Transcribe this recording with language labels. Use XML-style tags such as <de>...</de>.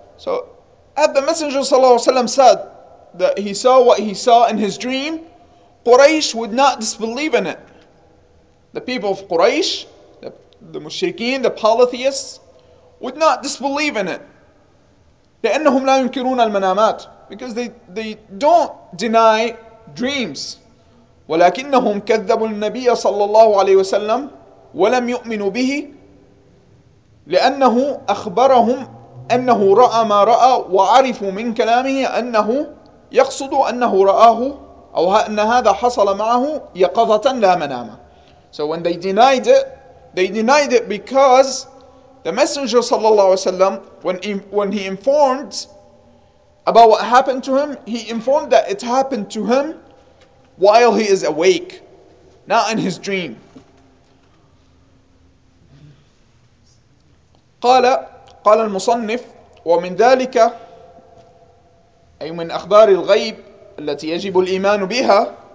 <en>So had the Messenger صلى الله عليه وسلم said that he saw what he saw in his dream, Quraysh would not disbelieve in it. The people of Quraysh, the mushrikeen, the polytheists, would not disbelieve in it.</en> <ar>لأنهم لا ينكرون المنامات.</ar> <en>Because they don't deny dreams.</en> <ar>ولكنهم كذبوا النبي صلى الله عليه وسلم ولم يؤمنوا به لأنه أخبرهم أنه رأى ما رأى وعرفوا من كلامه أنه يقصد أنه رآه أو أن هذا حصل معه يقظة لا منامة.</ar> <en>So when they denied it because the Messenger sallallahu alaihi wasallam, when he informed about what happened to him, he informed that it happened to him while he is awake, not in his dream.</en> <ar>قال المصنف ومن ذلك أي من أخبار الغيب التي يجب الإيمان بها.</ar>